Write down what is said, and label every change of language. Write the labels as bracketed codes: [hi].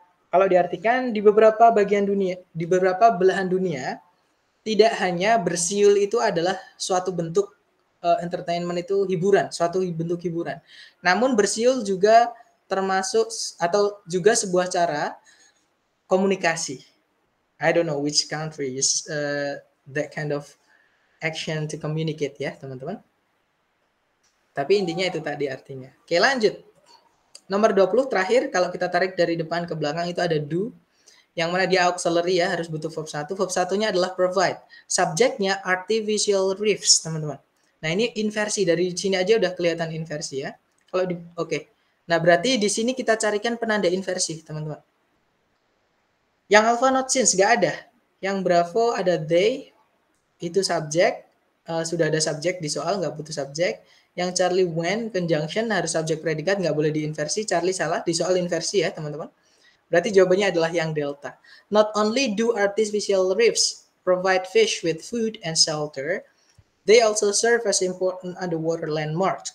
[id] Kalau diartikan, di beberapa bagian dunia, di beberapa belahan dunia, tidak hanya bersiul itu adalah suatu bentuk entertainment, itu hiburan, suatu bentuk hiburan. Namun bersiul juga termasuk atau juga sebuah cara komunikasi. [en] I don't know which country is that kind of action to communicate [id] ya teman-teman. Tapi intinya itu tadi artinya. Oke, lanjut. Nomor 20 terakhir, kalau kita tarik dari depan ke belakang itu ada do. Yang mana dia auxiliary ya, harus butuh verb 1. Verb 1-nya adalah provide. Subjeknya artificial reefs, teman-teman. Nah, ini inversi. Dari sini aja udah kelihatan inversi ya. Kalau di, oke. Nah, berarti di sini kita carikan penanda inversi, teman-teman. Yang alpha not since, nggak ada. Yang bravo ada they. Itu subjek. Sudah ada subjek di soal, nggak butuh subjek. Yang Charlie when, conjunction, harus subjek predikat, nggak boleh diinversi. Charlie salah, di soal inversi ya, teman-teman. Berarti jawabannya adalah yang delta. [en] Not only do artificial reefs provide fish with food and shelter, they also serve as important underwater landmarks.